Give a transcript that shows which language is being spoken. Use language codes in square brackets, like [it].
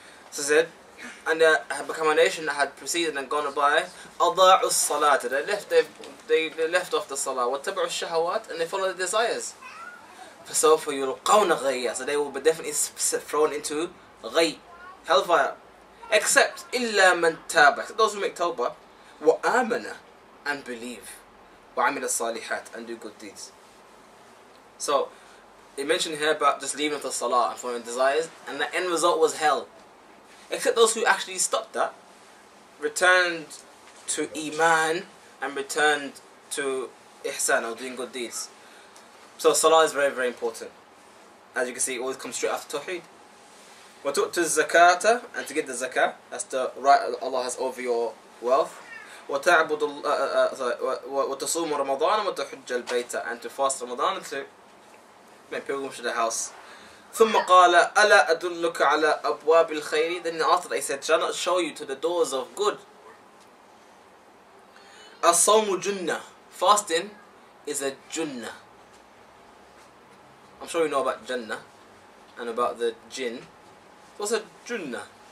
[en] So said, and there had become a nation that had preceded and gone by, [ar] أَضَاعُوا الصَّلَاةَ. [en] They left off the salah. [ar] وَاتَّبَعُوا الشَّهَوَاتِ. [en] And they followed the desires. [ar] فَسَوْفِ يُلْقَوْنَ غَيَّا. [en] So they will be definitely thrown into غَي, hellfire. Except [ar] إِلَّا مَنْ تَابَ. [en] So those who make tawbah, وَآمَنَ, and believe, [ar] وَعَمِلَ الصَّالِحَاتِ, [en] and do good deeds. So, it mentioned here about just leaving the salah and following desires, and the end result was hell. Except those who actually stopped that, returned to Iman, and returned to Ihsan, or doing good deeds. So salah is very, very important. As you can see, it always comes straight after Tawheed. [ar] وَتُؤْتُ الزَّكَاةَ, [en] and to get the zakah, that's the right Allah has over your wealth. [ar] وَتَعْبُدُ وَتَصُومُ رَمَضَانَ وَتَحُجَّ الْبَيْتَ, [en] and to fast Ramadan and to make pilgrimage to the house. [ar] ثُمَّ قَالَ أَلَا أَدُلُّكَ عَلَى أَبْوَابِ الْخَيْرِ. [en] Then after that he said, shall I not show you to the doors of good? [ar] الصَّوْمُ جُنَّةٌ. [en] Fasting is a jannah. I'm sure you know about jannah and about the jinn. What's a jannah?